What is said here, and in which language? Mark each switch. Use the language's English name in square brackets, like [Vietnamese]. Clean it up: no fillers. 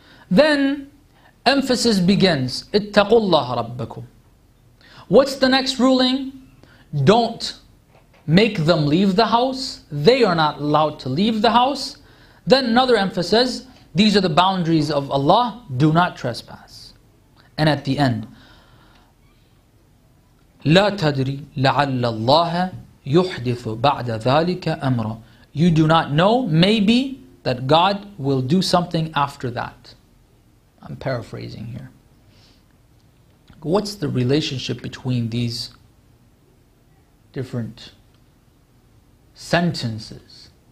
[English] Then emphasis begins. [Arabic] اتقوا الله ربكم. [English] What's the next ruling? Don't make them leave the house. They are not allowed to leave the house. Then another emphasis. These are the boundaries of Allah. Do not trespass. And at the end, [Arabic] لا تدري لعل الله يحدث بعد ذلك أمرا. [English] You do not know, maybe that God will do something after that. I'm paraphrasing here. What's the relationship between these different sentences?